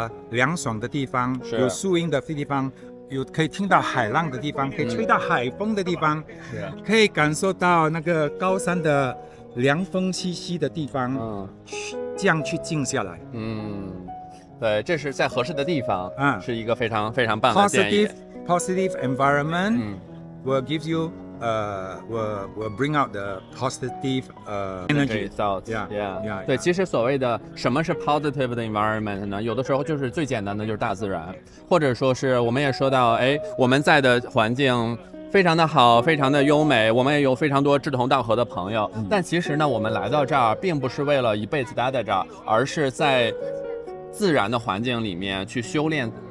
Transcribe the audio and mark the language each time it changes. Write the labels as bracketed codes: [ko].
[zh] 凉爽的地方，有树荫的地方，有可以听到海浪的地方，可以吹到海风的地方，可以感受到那个高山的凉风兮兮的地方，这样去静下来。对，这是在合适的地方，是一个非常非常棒的建议。 [en] Positive environment will give you will bring out the positive energy. Yeah. [zh] 对，其实所谓的什么是 positive 的 environment 呢？有的时候就是最简单的就是大自然，或者说是我们也说到，哎，我们在的环境非常的好，非常的优美，我们也有非常多志同道合的朋友。但其实呢，我们来到这儿并不是为了一辈子待在这儿，而是在自然的环境里面去修炼。